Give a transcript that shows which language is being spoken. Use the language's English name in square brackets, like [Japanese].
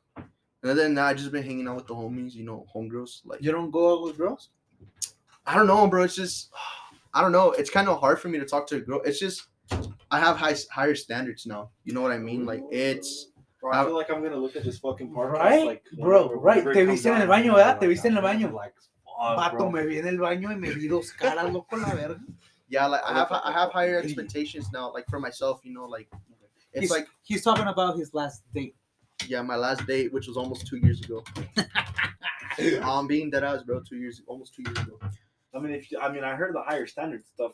[English] And then I just been hanging out with the homies, you know, homegirls. Like, you don't go out with girls? I don't know, bro. I don't know. It's kind of hard for me to talk to a girl. It's just, I have higher standards now. You know what I mean? Like, it's... Bro, I feel like I'm going to look at this fucking podcast. Right? Like, bro, right. [Spanish] Te viste en el baño, ¿verdad? Te viste en el baño. Like, pato, me vi en el baño y me vi dos caras, loco, la verga. [English] Yeah, like, I have higher expectations now, like, for myself, you know, like... He's talking about his last date. Yeah, my last date, which was almost 2 years ago. I'm being dead ass, bro. Almost two years ago. I heard the higher standard stuff.